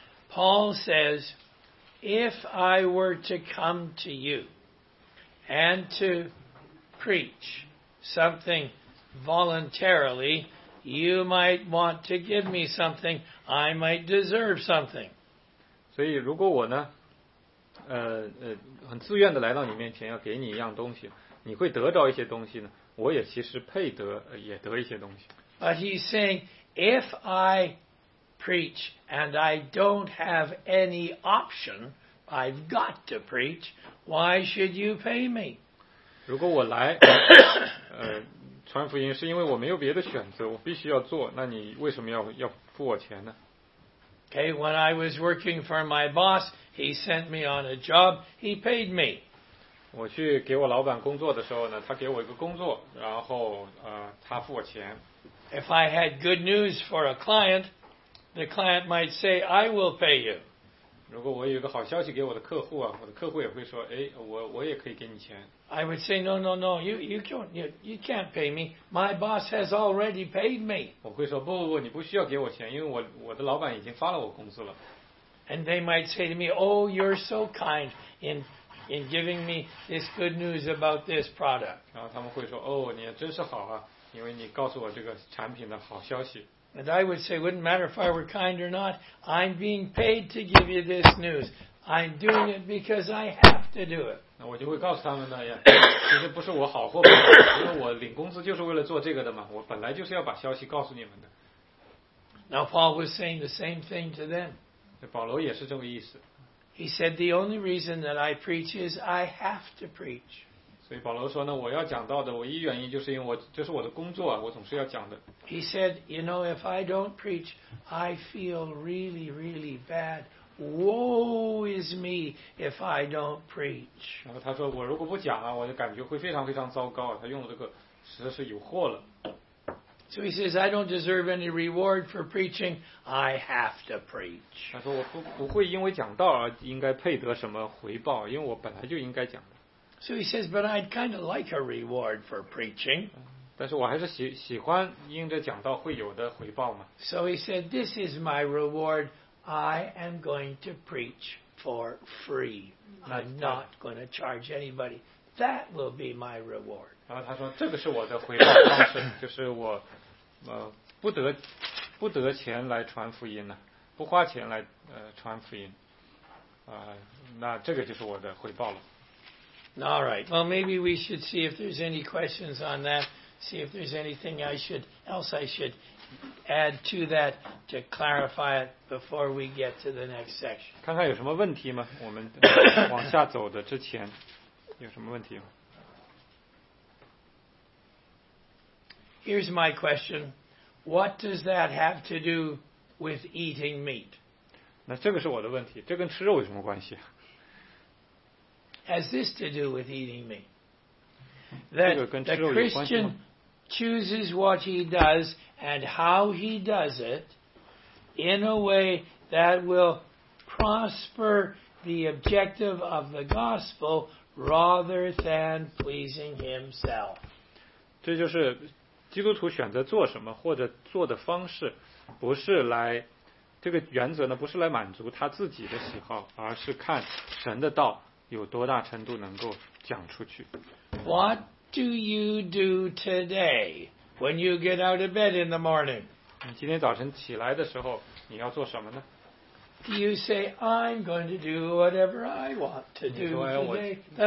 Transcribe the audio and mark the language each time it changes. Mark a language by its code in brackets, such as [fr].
[en] Paul says, if I were to come to you and to preach something voluntarily, you might want to give me something. I might deserve something. [zh] 所以如果我呢，很自愿的来到你面前要给你一样东西，你会得着一些东西呢，我也其实配得，也得一些东西。 [en] But he's saying, if I preach and I don't have any option, I've got to preach, why should you pay me? [zh] 如果我来，传福音是因为我没有别的选择，我必须要做，那你为什么要付我钱呢？ [en] Okay, when I was working for my boss, he sent me on a job, he paid me. [zh] 我去给我老板工作的时候呢，他给我一个工作，然后他付我钱。 [en] If I had good news for a client, the client might say, I will pay you. [zh] 如果我有一个好消息给我的客户啊，我的客户也会说，哎，我也可以给你钱。 [en] I would say, no, no, no, you can't pay me. My boss has already paid me. [zh] 我会说，不不不，你不需要给我钱，因为我的老板已经发了我工资了。 [en] And they might say to me, oh, you're so kind in giving me this good news about this product. [zh] 然后他们会说，哦，你也真是好啊，因为你告诉我这个产品的好消息。 [en] And I would say, wouldn't matter if I were kind or not, I'm being paid to give you this news. I'm doing it because I have to do it. [zh] 那我就会告诉他们呢，呀，其实不是我好或不好，因为我领工资就是为了做这个的嘛，我本来就是要把消息告诉你们的。 [en] Now Paul was saying the same thing to them. [zh] 保罗也是这个意思。 [en] He said, the only reason that I preach is I have to preach. [zh] 所以保罗说呢，我要讲道的唯一原因就是因为这是我的工作啊，我总是要讲的。 [en] He said, you know, if I don't preach, I feel really, really bad. Woe is me if I don't preach. [zh] 然后他说，我如果不讲啊，我就感觉会非常非常糟糕啊，他用这个实在是有祸了。 [en] So he says, I don't deserve any reward for preaching. I have to preach. [zh] 他说我不会因为讲道而应该配得什么回报，因为我本来就应该讲的。 [en] So he says, but I'd kind of like a reward for preaching. [zh] 但是我还是喜欢因着讲道会有的回报嘛。 [en] So he said, this is my reward. I am going to preach for free. I'm not going to charge anybody. That will be my reward. [zh] 然后他说，这个是我的回报方式，就是我不得钱来传福音呢，不花钱来传福音，那这个就是我的回报了。 [en] All right. Well, maybe we should see if there's any questions on that. See if there's anything else I should add to that to clarify it before we get to the next section. [zh] 看看有什么问题吗？我们往下走的之前有什么问题吗？ [en] Here's my question. What does that have to do with eating meat? [zh] 那这个是我的问题，这跟吃肉有什么关系？ [en] Has this to do with eating meat? That the Christian chooses what he does and how he does it, in a way that will prosper the objective of the gospel rather than pleasing himself. [zh] 这就是基督徒选择做什么或者做的方式，不是来这个原则呢，不是来满足他自己的喜好，而是看神的道有多大程度能够讲出去。 [en] What do you do today when you get out of bed in the morning? [zh] 你今天早晨起来的时候，你要做什么呢？ [en] Do you say, I'm going to do whatever I want to do today?